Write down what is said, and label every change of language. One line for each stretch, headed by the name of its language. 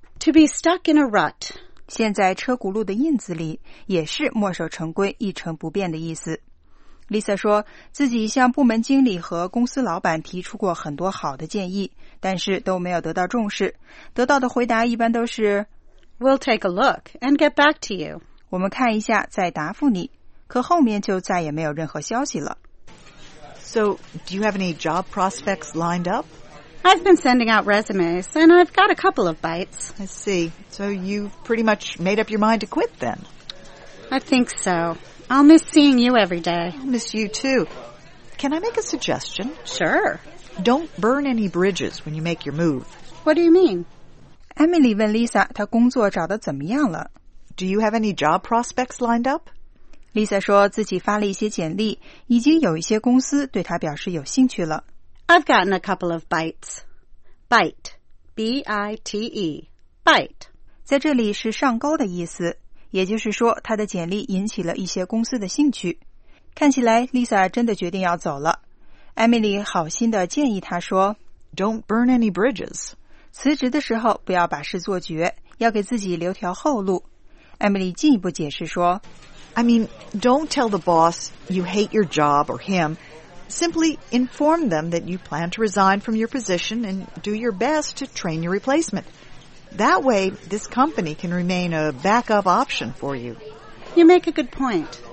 English: To be stuck in a rut
Chinese: 现在车轱辘的印子里也是墨守成规一成不变的意思Lisa 说自己向部门经理和公司老板提出过很多好的建议但是都没有得到重视得到的回答一般都是
English: We'll take a look and get back to you
Chinese: 我们看一下再答复你可后面就再也没有任何消息了
English: So, do you have any job prospects lined up? I've been sending out resumes and I've got a couple of bites I see, so you've pretty much made up your mind to quit then? I think soI'll miss seeing you every day. I'll miss you too. Can I make a suggestion? Sure. Don't burn any bridges when you make your move. What do you mean?
Chinese: Emily 问 Lisa 她工作找得怎么样了。
English: Do you have any job prospects lined up?
Chinese: Lisa 说自己发了一些简历已经有一些公司对她表示有兴趣了。
English: I've gotten a couple of bites. Bite. B-I-T-E. Bite.
Chinese: 在这里是上钩的意思。也就是说他的简历引起了一些公司的兴趣看起来 Lisa 真的决定要走了 Emily 好心地建议他说
English: Don't burn any bridges
Chinese: 辞职的时候不要把事做绝要给自己留条后路 Emily 进一步解释说
English: I mean, don't tell the boss you hate your job or him Simply inform them that you plan to resign from your position and do your best to train your replacementThat way, this company can remain a backup option for you. You make a good point.